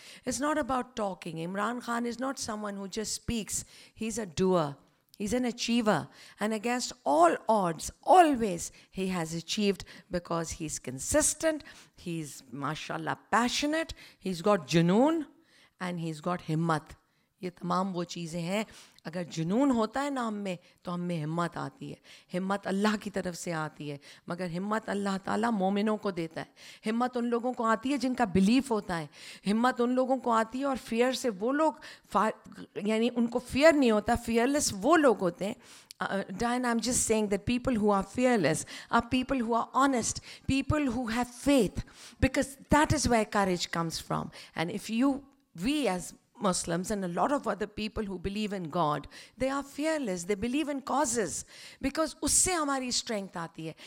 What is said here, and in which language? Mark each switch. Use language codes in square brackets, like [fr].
[en] It's not about talking. Imran Khan is not someone who just speaks. He's a doer. He's an achiever. And against all odds, always, he has achieved because he's consistent. He's, mashallah, passionate. He's got junoon and he's got himmat. [hi] ये तमाम वो चीज़ें हैं. अगर जुनून होता है ना हम में, तो हम में हिम्मत आती है. हिम्मत अल्लाह की तरफ से आती है, मगर हिम्मत अल्लाह ताला मोमिनों को देता है. हिम्मत उन लोगों को आती है जिनका बिलीफ होता है. हिम्मत उन लोगों को आती है और फियर से वो लोग, यानी उनको फियर नहीं होता, फियरलेस वो लोग होते हैं. [en] Diane, I'm just saying that people who are fearless are people who are honest, people who have faith, because that is where courage comes from. And if we as Muslims and a lot of other people who believe in God, they are fearless, they believe in causes, because [hi] usse hamari [en] strength [hi] aati hai.